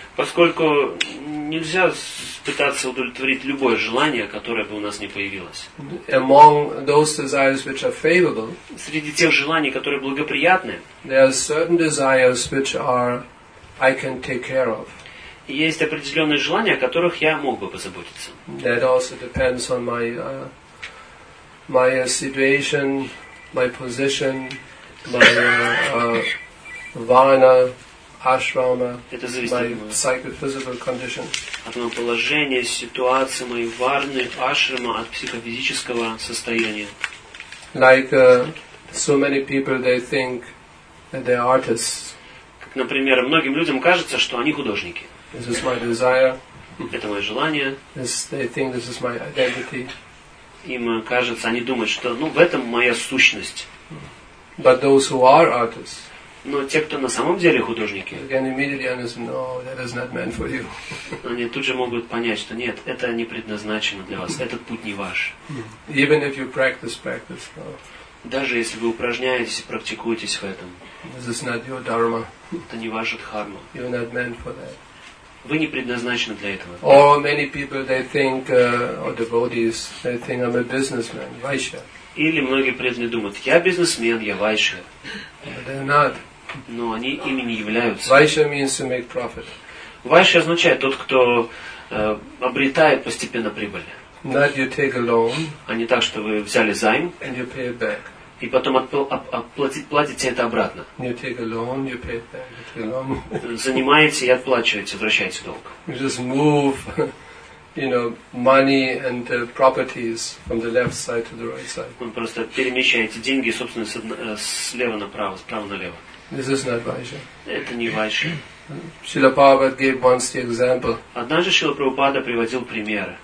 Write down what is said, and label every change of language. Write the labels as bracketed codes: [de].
[ru] Поскольку нельзя пытаться удовлетворить любое желание, которое бы у нас не появилось. [en] Among those desires which are favorable, [ru] среди тех желаний, которые благоприятны, [en] there are certain desires which are I can take care of. [ru] Есть определенные желания, о которых я мог бы позаботиться. [en] That also depends on my my situation, my position, my vana, ashrama, my psychophysical condition. [ru] От моего положения, ситуации, моей варны, ашрама, от психофизического состояния. [en] Like so many people, they think that they are artists. [ru] Как, например, многим людям кажется, что они художники. [en] This is my desire. [ru] Это мое желание. [en] They think this is my identity. [ru] Им кажется, они думают, что ну, в этом моя сущность. [en] But those who are artists, [ru] но те, кто на самом деле художники, [en] again, immediately understand, no, that is not meant for you. [ru] Они тут же могут понять, что нет, это не предназначено для вас, этот путь не ваш. [en] Even if you practice, no. [ru] Даже если вы упражняетесь и практикуетесь в этом, [en] this is not your dharma. [ru] Это не ваша дхарма. [en] You're not meant for that. [ru] Вы не предназначены для этого. [en] Or many people they think, or devotees they think I'm a businessman, vaishya. [ru] Или многие преданные думают, я бизнесмен, я вайшья. Но они ими не являются. [en] Vaishya means to make profit. [ru] Vaishya означает тот, кто обретает постепенно прибыль. [en] Not you take a loan. [ru] А не так, что вы взяли займ. [en] And you pay it back. [ru] И потом платите это обратно. [en] You take a loan, you pay it back, you take a loan. [ru] Занимаете и отплачиваете, возвращаете долг. [en] You just move, you know, money and properties from the left side to the right side. [ru] Вы просто перемещаете деньги, собственно, слева направо, справа налево. [en] This is not vaishya. [ru] Это не вайшья. [en] Srila Prabhupada gave once the example. [ru] Однажды Шрила Прабхупада приводил пример.